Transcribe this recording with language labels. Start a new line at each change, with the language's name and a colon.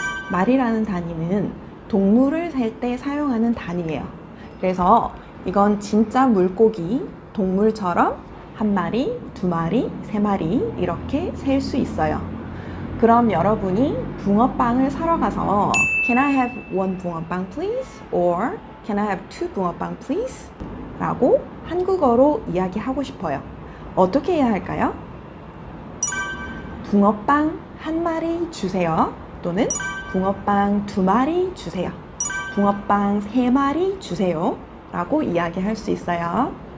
Korean: 마리라는 단위는 동물을 셀 때 사용하는 단위예요. 그래서 이건 진짜 물고기, 동물처럼 한 마리, 두 마리, 세 마리 이렇게 셀 수 있어요.
English: 그럼 여러분이 붕어빵을 사러 가서 Can I have one 붕어빵 please? Or Can I have two 붕어빵 please?
Korean: 라고 한국어로 이야기하고 싶어요. 어떻게 해야 할까요? 붕어빵 한 마리 주세요. 또는 붕어빵 두 마리 주세요. 붕어빵 세 마리 주세요. 라고 이야기할 수 있어요.